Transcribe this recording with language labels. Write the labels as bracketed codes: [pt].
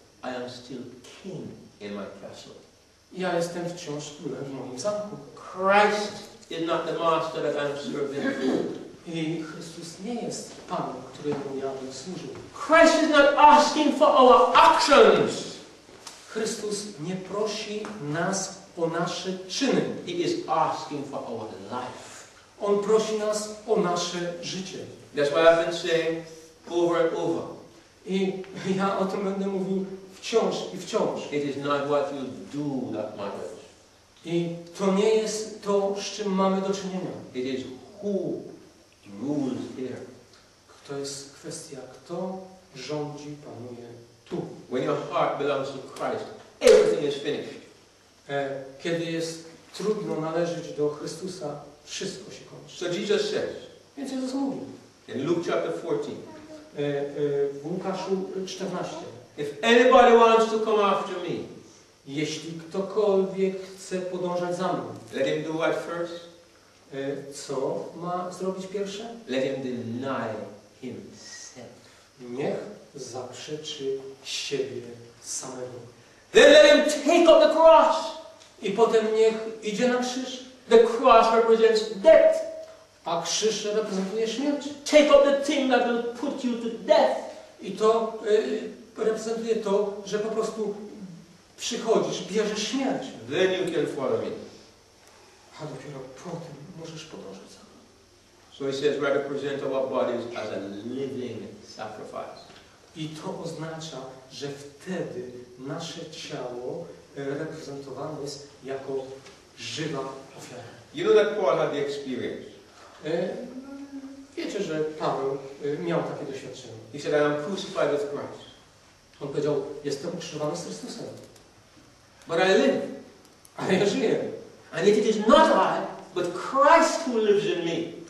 [en] I am still king in my castle. [pl] Ja jestem wciąż królem w moim zamku. [en] Christ is not the master that I am serving. [pl] I Chrystus nie jest Panem, którego ja bym służył. [en] Christ is not asking for our actions. [pl] Chrystus nie prosi nas o nasze czyny. [en] He is asking for our life. [pl] On prosi nas o nasze życie. [en] That's why I've been saying over and over. [pl] I ja o tym będę mówił wciąż i wciąż. [en] It is not what you do that matters. [pl] I to nie jest to, z czym mamy do czynienia. [en] It is who rules here. [pl] To jest kwestia, kto rządzi, panuje. [en] When your heart belongs to Christ, everything is finished. [pl] Kiedy jest trudno należeć do Chrystusa, wszystko się kończy. [en] So Jesus says. [pl] Więc Jezus mówi. [en] In Luke chapter 14. [pl] W Łukaszu 14. [en] If anybody wants to come after me. [pl] Jeśli ktokolwiek chce podążać za mną. [en] Let him do what first? [pl] Co ma zrobić pierwsze? [en] Let him deny himself. [pl] Niech zaprzeczy siebie samego. [en] Then let him take up the cross. [pl] I potem niech idzie na krzyż. [en] The cross represents death. [pl] A krzyż reprezentuje śmierć. [en] Take up the thing that will put you to death. [pl] I to reprezentuje to, że po prostu przychodzisz, bierzesz śmierć. [en] Then you can follow me. [pl] A dopiero potem możesz podążać za mną. [en] So he says, we represent our bodies as a living sacrifice. [pl] I to oznacza, że wtedy nasze ciało reprezentowane jest jako żywa ofiara. [en] You know that Paul had the experience. [pl] Wiecie, że Paweł miał takie doświadczenie. [en] He said, I am crucified with Christ. [pl] On powiedział, jestem ukrzyżowany z Chrystusem. [en] But I live. [pl] Ale ja żyję. [en] And yet it is not I, but Christ who lives in me.